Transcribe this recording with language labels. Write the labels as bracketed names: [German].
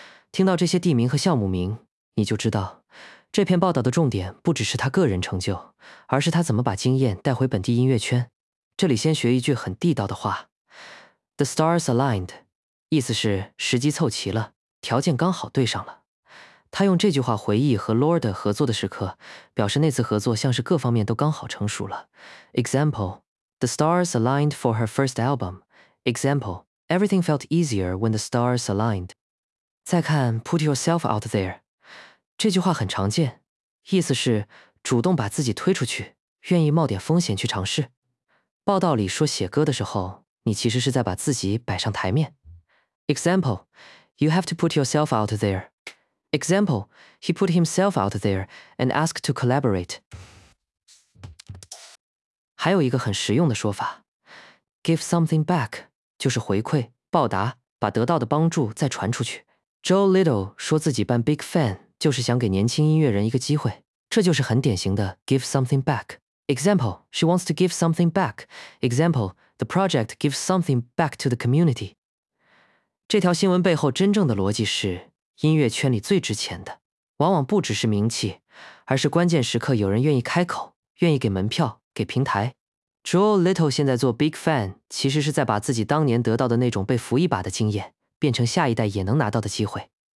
[Chinese] 听到这些地名和项目名，你就知道这篇报道的重点不只是他个人成就，而是他怎么把经验带回本地音乐圈。这里先学一句很地道的话， [English] The stars aligned， [Chinese] 意思是时机凑齐了，条件刚好对上了。他用这句话回忆和 Lorde 合作的时刻，表示那次合作像是各方面都刚好成熟了。 [English] Example: The stars aligned for her first album. Example: Everything felt easier when the stars aligned. [Chinese] 再看 [English] Put yourself out there， [Chinese] 这句话很常见，意思是主动把自己推出去，愿意冒点风险去尝试。报道里说写歌的时候，你其实是在把自己摆上台面。 [English] Example: You have to put yourself out there. Example: He put himself out there and asked to collaborate. [Chinese] 还有一个很实用的说法， [English] Give something back， [Chinese] 就是回馈、报答，把得到的帮助再传出去。 Joe Little 说自己扮 Big Fan就是想给年轻音乐人一个机会，这就是很典型的 [English] give something back. Example: She wants to give something back. Example: The project gives something back to the community. [Chinese] 这条新闻背后真正的逻辑是，音乐圈里最值钱的往往不只是名气，而是关键时刻有人愿意开口，愿意给门票，给平台。 Joe Little 现在做 Big Fan， 其实是在把自己当年得到的那种被扶一把的经验变成下一代也能拿到的机会。